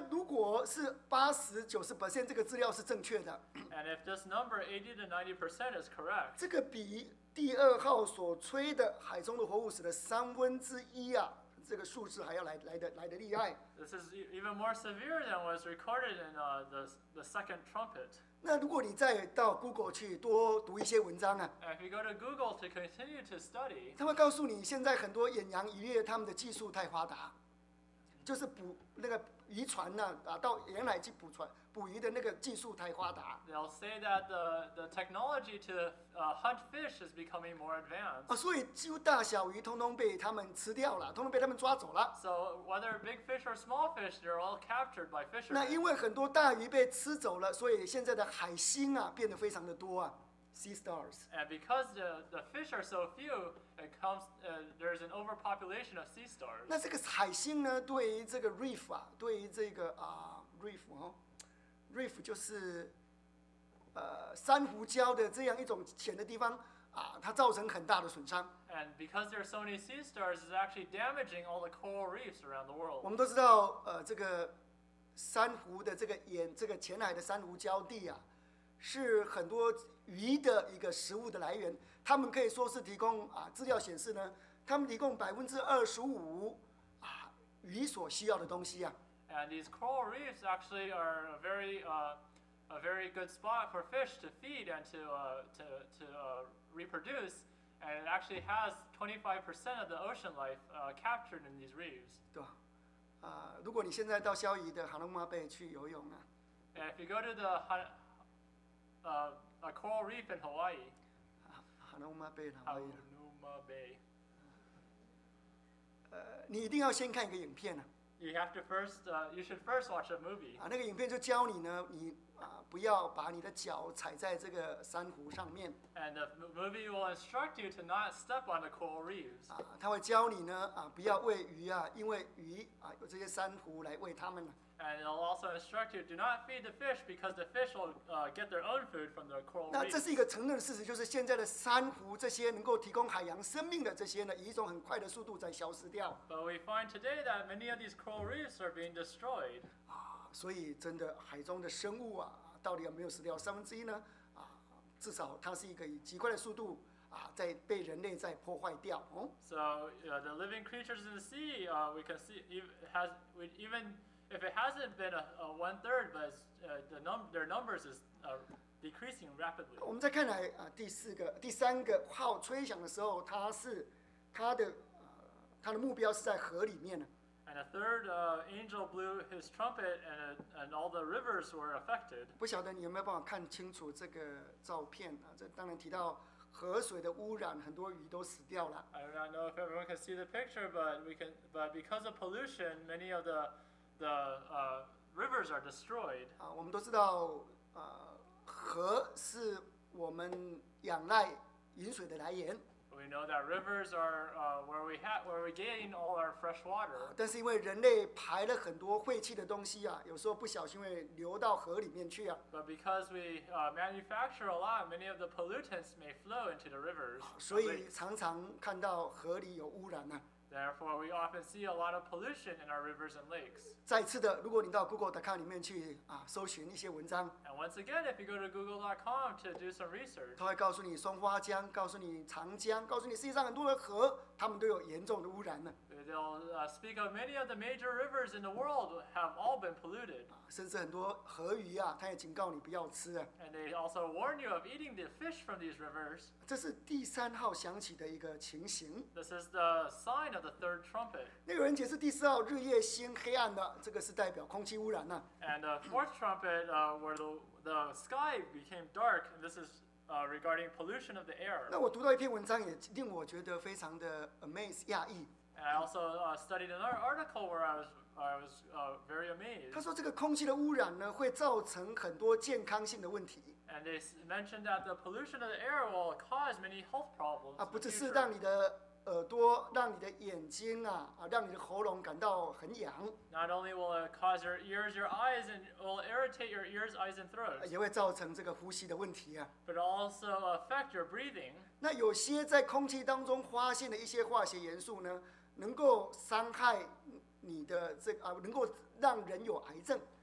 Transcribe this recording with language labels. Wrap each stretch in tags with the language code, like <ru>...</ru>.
<zh>那如果是80%-90%这个资料是正确的</zh> <en>，And if this number 80% to 90% is correct,</en> <zh>这个比第二号所吹的海中的活物死的三分之一这个数字还要来的厉害。</zh> <en>This is even more severe than was recorded in the second trumpet.</en> <zh>那如果你再到 Google 去多读一些文章</zh> <en>If you go to Google to continue to study,</en> <zh>他会告诉你现在很多远洋渔业他们的技术太发达，就是捕那个渔船到沿海去捕船捕鱼的那个技术太发达。</zh> <en>They'll say that the technology to hunt fish is becoming more advanced.</en> <zh>所以几乎大小鱼通通被他们吃掉了，通通被他们抓走了。</zh> <en>So whether big fish or small fish, they're all captured by fishermen.</en> <zh>那因为很多大鱼被吃走了，所以现在的海星变得非常的多sea stars.</zh> <en>And because the fish are so few, it comes there's an overpopulation of sea stars.</en> <zh>那这个海星呢，对于这个 reef 对于这个reef reef 就是珊瑚礁的这样一种浅的地方它造成很大的损伤。</zh> <en>And because there are so many sea stars, it's actually damaging all the coral reefs around the world.</en> <zh>我们都知道这个珊瑚的这个盐，这个浅海的珊瑚礁地是很多鱼的一个食物的来源，他们可以说是提供资料显示呢，他们提供25%鱼所需要的东西</zh> <en>And these coral reefs actually are a very good spot for fish to feed and to reproduce, and it actually has 25% of the ocean life captured in these reefs.</en> <zh>对，如果你现在到夏威夷的哈龙马贝去游泳</zh> <en>If you go to the a coral reef in Hawaii. Hanauma Bay, Hanauma Bay.</en> <zh>你一定要先看一个影片</zh> <en>You have to first, you should first watch a movie.</en> <zh>那个影片就教你呢，你不要把你的脚踩在这个珊瑚上面。</zh> <en>And the movie will instruct you to not step on the coral reefs.</en> <zh>它会教你呢，不要喂鱼因为鱼有这些珊瑚来喂它们。</zh> <en>And it'll also instruct you do not feed the fish because the fish will get their own food from the coral reefs.</en> <zh>那这是一个承认的事实，就是现在的珊瑚这些能够提供海洋生命的这些呢，以一种很快的速度在消失掉。</zh> <en>But we find today that many of these coral reefs are being destroyed.</en> <zh>所以真的海中的生物到底有没有死掉三分之一呢？至少它是一个以极快的速度在被人类在破坏掉。</zh> <en>So, the living creatures in the sea, we can see even if it hasn't been a one third, but their numbers is decreasing rapidly.</en> <zh>我们再看来第三个号吹响的时候，它的目标是在河里面呢。</zh> <en>And a third angel blew his trumpet, and all the rivers were affected.</en> <zh>不晓得你有没有办法看清楚这个照片啊？这当然提到河水的污染，很多鱼都死掉了。</zh> <en>I do not know if everyone can see the picture, but because of pollution, many of the rivers are destroyed.</en> <zh>我们都知道，河是我们仰赖饮水的来源。</zh> <en>We know that rivers are where we gain all our fresh water.</en> <zh>但是因为人类排了很多废气的东西啊，有时候不小心会流到河里面去啊。</zh> <en>But because we manufacture a lot, many of the pollutants may flow into the rivers.</en> <zh>所以常常看到河里有污染呢。</zh> <en>Therefore, we often see a lot of pollution in our rivers and lakes.</en> <zh>再次的，如果你到 Google.com 里面去搜寻一些文章</zh> <en>，And once again, if you go to Google.com to do some research,</en> <zh>他会告诉你松花江，告诉你长江，告诉你世界上很多的河，他们都有严重的污染呢。</zh> <en>They'll speak of many of the major rivers in the world have all been polluted.</en> <zh>甚至很多河鱼啊，他也警告你不要吃啊。</zh> <en>And they also warn you of eating the fish from these rivers.</en> <zh>这是第三号响起的一个情形。</zh> <en>This is the sign of the third trumpet.</en> <zh>那有人解释第四号日夜星黑暗的，这个是代表空气污染呢。</zh> <en>And the fourth trumpet, where the sky became dark, and this is regarding pollution of the air.</en> <zh>那我读到一篇文章，也令我觉得非常的 amazed 讶异。</zh> <en>And I also studied another article where I was very amazed.</en> <zh>他说这个空气的污染呢，会造成很多健康性的问题。</zh> <en>And they mentioned that the pollution of the air will cause many health problems.</en> <zh>不只是让你的耳朵、让你的眼睛让你的喉咙感到很痒。</zh> <en>Not only will it cause your ears, your eyes, and will irritate your ears, eyes, and throat.</en> <zh>也会造成这个呼吸的问题啊。</zh> <en>But also affect your breathing.</en> <zh>那有些在空气当中发现的一些化学元素呢？能够伤害你的这个能够让人有癌症。</zh>